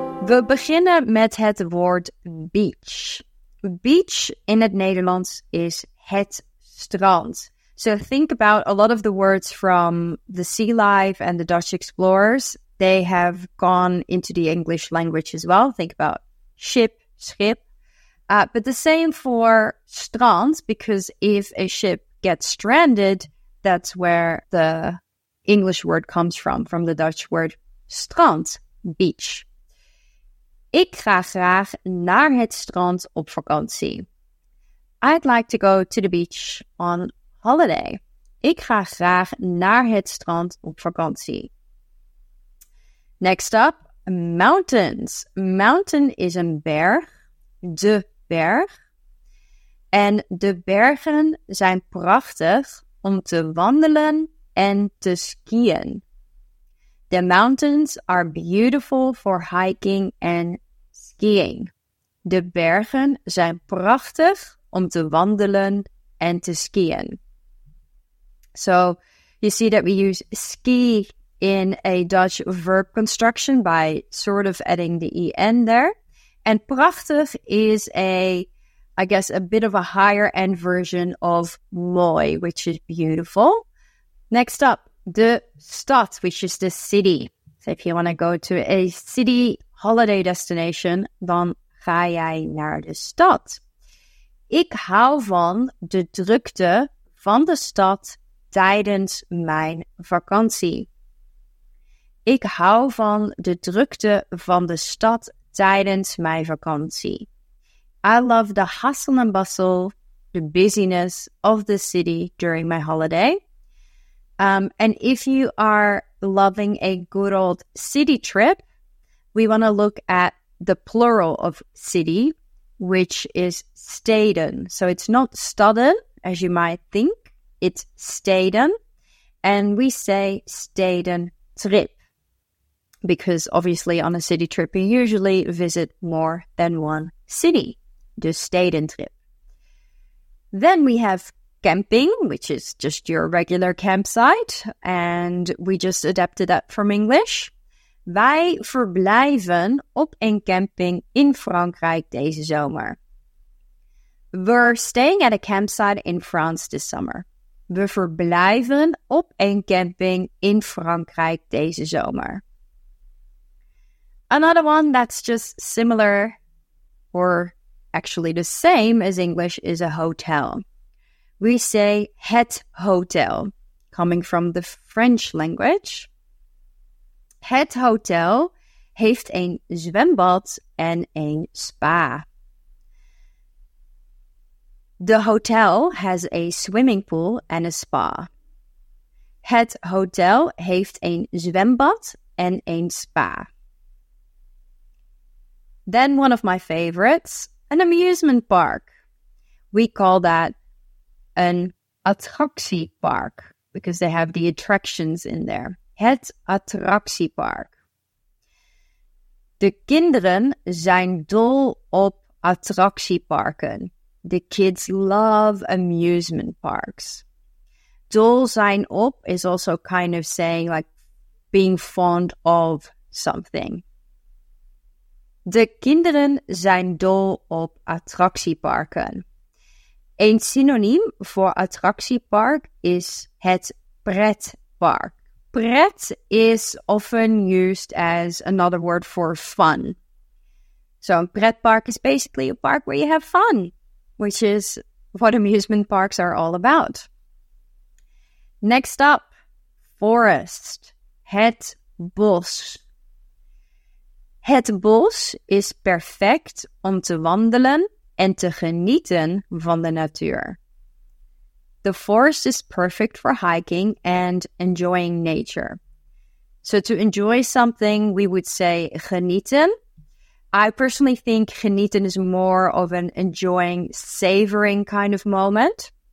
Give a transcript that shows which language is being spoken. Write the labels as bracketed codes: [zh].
[nl] We beginnen met het woord beach. Beach in het Nederlands is het strand. [en] So think about a lot of the words from the sea life and the Dutch explorers. They have gone into the English language as well. Think about ship, schip. But the same for strand, because if a ship gets stranded, that's where the English word comes from the Dutch word strand, beach. [nl] Ik ga graag naar het strand op vakantie. [en] I'd like to go to the beach on holiday. [nl] Ik ga graag naar het strand op vakantie. [en] Next up, mountains. Mountain is [nl] een berg, de berg. En de bergen zijn prachtig om te wandelen en te skiën. [en] The mountains are beautiful for hiking and skiing. [nl] De bergen zijn prachtig om te wandelen en te skiën. [en] So, you see that we use ski in a Dutch verb construction by sort of adding the en there. And prachtig is a bit of a higher end version of mooi, which is beautiful. Next up, de stad, which is the city. So if you want to go to a city holiday destination, [nl] dan ga jij naar de stad. Ik hou van de drukte van de stad tijdens mijn vakantie. Ik hou van de drukte van de stad tijdens mijn vakantie. [en] I love the hustle and bustle, the busyness of the city during my holiday. And if you are loving a good old city trip, we want to look at the plural of city, which is steden. So it's not stadden, as you might think. It's steden. And we say steden trip. Because obviously on a city trip, you usually visit more than one city. [nl] Dus steden trip. [en] Then we have camping, which is just your regular campsite. And we just adapted that from English. [nl] Wij verblijven op een camping in Frankrijk deze zomer. [en] We're staying at a campsite in France this summer. [nl] We verblijven op een camping in Frankrijk deze zomer. [en] Another one that's just similar, or actually the same as English, is a hotel. We say het hotel, coming from the French language. [nl] Het hotel heeft een zwembad en een spa. [en] The hotel has a swimming pool and a spa. [nl] Het hotel heeft een zwembad en een spa. [en] Then one of my favorites, an amusement park. We call that an attractiepark because they have the attractions in there. [nl] Het attractiepark. De kinderen zijn dol op attractieparken. [en] The kids love amusement parks. Dol zijn op is also kind of saying like being fond of something. [nl] De kinderen zijn dol op attractieparken. Een synoniem voor attractiepark is het pretpark. [en] Pret is often used as another word for fun. So a pretpark is basically a park where you have fun, which is what amusement parks are all about. Next up, forest. Het bos. [nl] Het bos is perfect om te wandelen en te genieten van de natuur. [en] The forest is perfect for hiking and enjoying nature. So to enjoy something, we would say genieten. I personally think genieten is more of an enjoying, savoring kind of moment.